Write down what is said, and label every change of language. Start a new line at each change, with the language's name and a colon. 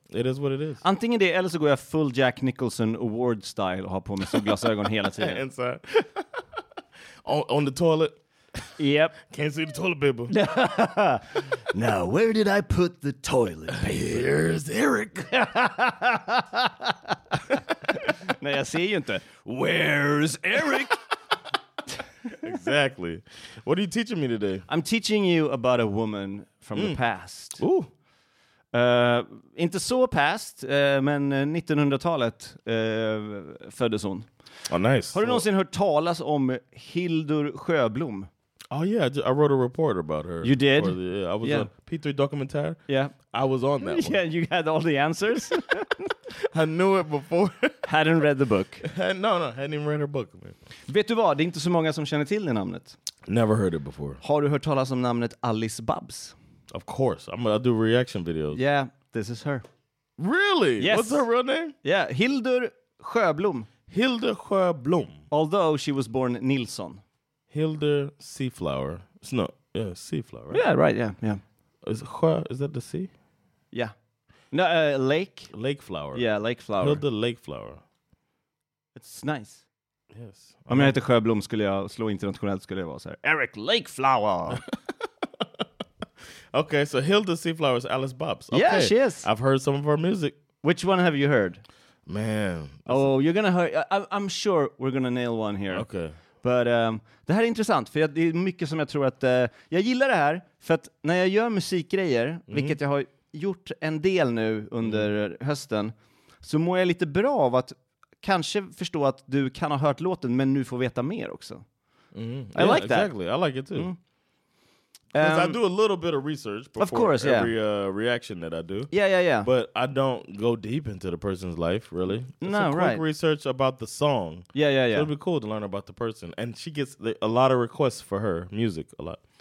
English: It is what it is.
Swedish: Antingen det, eller så går jag full Jack Nicholson award style och har på mig solglasögon hela tiden.
English: Inside. on the toilet. Yep. Can't see the toilet paper. Now, where did I put the toilet paper? Here's Eric.
Swedish: Nej, jag ser ju inte.
English: Where's Eric? Exactly. What are you teaching me today? I'm teaching you about a woman from the past. Ooh.
Swedish: Inte så past, men 1900-talet föddes hon.
English: Oh, nice.
Swedish: Har du någonsin hört talas om Hildur Sjöblom?
English: Oh yeah, I wrote a report about her. You did? I was on P3 documentary. Yeah. I was on that one. Yeah, you had all the answers. I knew it before. Hadn't read the book. No, hadn't even read her book. Man.
Swedish: Vet du vad? Det är inte så många som känner till det namnet.
English: Never heard it before.
Swedish: Har du hört talas om namnet Alice Babs?
English: Of course. I do reaction videos. Yeah, this is her. Really? Yes. What's her real name? Yeah, Hildur Sjöblom. Hildur Sjöblom. Although she was born Nilsson. Hildur Seaflower. It's not. Yeah, Seaflower. Right? Yeah, right. Yeah. Is that the sea? Yeah. No, lake. Lake Flower. Yeah, Lake Flower. Hildur Lake Flower. It's nice. Yes.
Swedish: Om jag heter Sjöblom skulle jag slå internationellt skulle jag vara så här.
English: Eric Lake Flower. Okay, so Hildur Seaflower is Alice Babs. Okay. Yeah, she is. I've heard some of her music. Which one have you heard? Man. Oh, you're going to hear. I'm sure we're going to nail one here. Okay.
Swedish: But, det här är intressant, för det är mycket som jag tror att... jag gillar det här, för att när jag gör musikgrejer, vilket jag har gjort en del nu under hösten, så mår jag lite bra av att kanske förstå att du kan ha hört låten, men nu får veta mer också.
English: Mm. I like that. Exactly, I like it too. Because I do a little bit of research before of course, every yeah. Reaction that I do. Yeah, yeah, yeah. But I don't go deep into the person's life, really. It's no, a quick right. research about the song. Yeah, yeah, yeah. So it'd be cool to learn about the person. And she gets a lot of requests for her music, a lot.